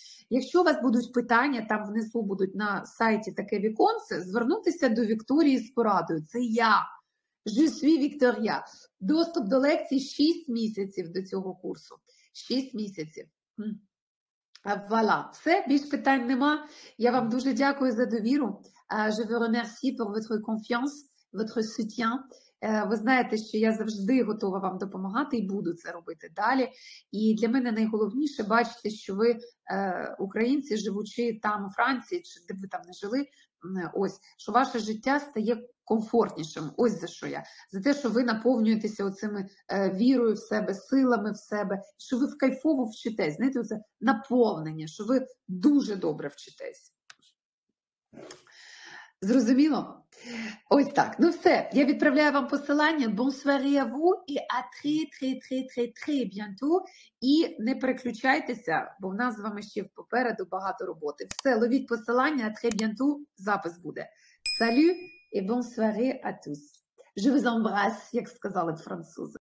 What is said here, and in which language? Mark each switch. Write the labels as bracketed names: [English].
[Ukrainian] Якщо у вас будуть питання, там внизу будуть на сайті таке віконце, звернутися до Вікторії з порадою. Це я. [French] Je suis Victoria. [Ukrainian] Доступ до лекцій 6 місяців до цього курсу. 6 місяців. Вуаля. Все, більш питань нема. Я вам дуже дякую за довіру. [French] Je vous remercie pour votre confiance, votre soutien. [Ukrainian] Ви знаєте, що я завжди готова вам допомагати і буду це робити далі. І для мене найголовніше бачити, що ви, українці, живучи там у Франції, чи де ви там не жили, ось, що ваше життя стає комфортнішим. Ось за що я. За те, що ви наповнюєтеся оцими вірою в себе, силами в себе, що ви кайфово вчитесь. Знаєте, це наповнення, що ви дуже добре вчитесь. Зрозуміло? Ось так. Ну все, я відправляю вам посилання. [French] Bonsoir à vous et à très bientôt. [Ukrainian] І не переключайтеся, бо в нас з вами ще попереду багато роботи. Все, ловіть посилання, [French] à très bientôt, [Ukrainian] запис буде. [French] Salut! Et bonne soirée à tous. Je vous embrasse, [Ukrainian] як сказали французи.